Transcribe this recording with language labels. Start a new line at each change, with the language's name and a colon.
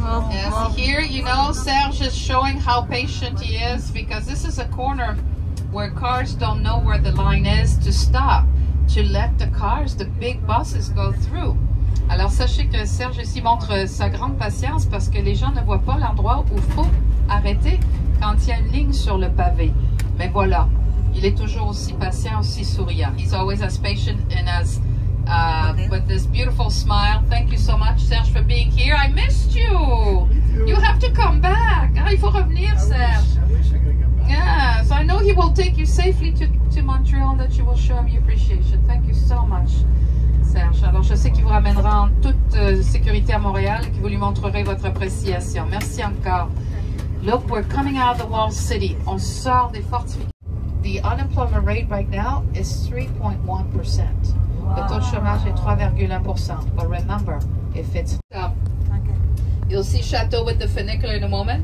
English: Yes, here, you know, Serge is showing how patient he is because this is a corner where cars don't know where the line is to stop, to let the cars, the big buses, go through.
French: Alors, sachez que Serge ici montre sa grande patience parce que les gens ne voient pas l'endroit où il faut arrêter quand il y a une ligne sur le pavé. Mais voilà, il est toujours aussi patient, aussi souriant.
English: He's always as patient and as with this beautiful smile. Thank you so much, Serge, for being here. I missed you. You have to come back.
French: Ah, il faut revenir, Serge.
English: I wish I could come back. Yes, I know he will take you safely to Montreal and that you will show him your appreciation. Thank you so much, Serge.
French: Alors, je sais qu'il vous ramènera en toute sécurité à Montréal et que vous lui montrerez votre appréciation. Merci encore.
English: Look, we're coming out of the walled city.
French: On sort des fortifications.
English: The unemployment rate right now is 3.1%.
French: Wow. Le taux de chômage est 3,1%.
English: But remember, if it's... You'll see Chateau with the funicular in a moment.